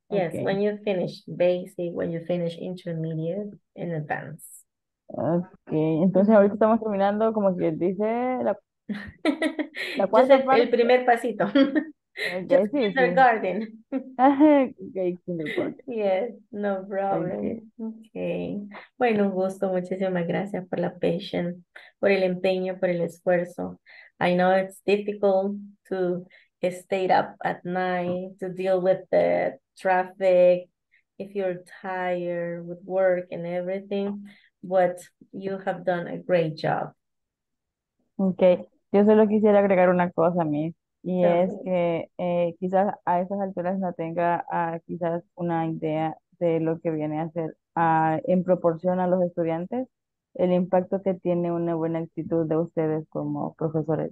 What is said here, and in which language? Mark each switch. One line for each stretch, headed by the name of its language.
English: Yes, okay. When you finish basic, when you finish intermediate in advance.
Spanish: Okay, entonces ahorita estamos terminando, como quien dice, la cuarta parte. El primer pasito.
English: Okay, just kindergarten. Okay, kindergarten. Yes, no problem. Okay.
Spanish: Bueno, un gusto. Muchísimas gracias por la patience, por el empeño, por el esfuerzo.
English: I know it's difficult to stay up at night, to deal with the traffic, if you're tired with work and everything, but you have done a great job.
Spanish: Okay. Yo solo quisiera agregar una cosa, Miss. Y es que quizás a esas alturas no tenga quizás una idea de lo que viene a hacer en proporción a los estudiantes, el impacto que tiene una buena actitud de ustedes como profesores.